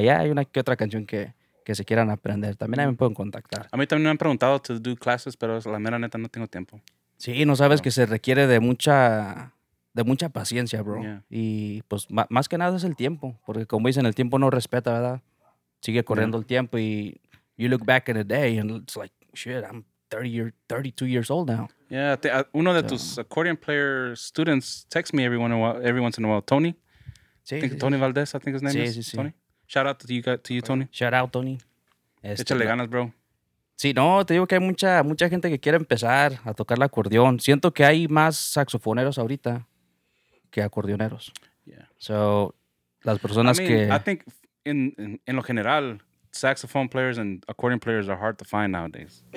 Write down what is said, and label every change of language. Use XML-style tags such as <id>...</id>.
<es>Ya hay una que otra canción que se quieran aprender, también ahí me pueden contactar. A mí también me han preguntado</es> <en>to do classes,</en> <es>pero la mera neta no tengo tiempo. Sí, no sabes que se requiere de mucha paciencia, bro. Yeah. Y pues más que nada es el tiempo, porque como dicen, el tiempo no respeta, ¿verdad? Sigue corriendo el tiempo y</es> <en>you look back in the day and it's like, shit, I'm 32 years old now. Yeah, uno de tus accordion player students texts me every once in a while, Tony. Sí, Tony Valdez, I think his name is. Sí. Tony. Shout out to you, Tony.</en> <es>Échale ganas, bro. Sí, no, te digo que hay mucha gente que quiere empezar a tocar el acordeón. Siento que hay más saxofoneros ahorita que acordeoneros.</es> <en>Yeah.</en> <es>So, las personas</es> <en>I think in</en> <es>lo general,</es> <en>saxophone players and accordion players are hard to find nowadays.</en>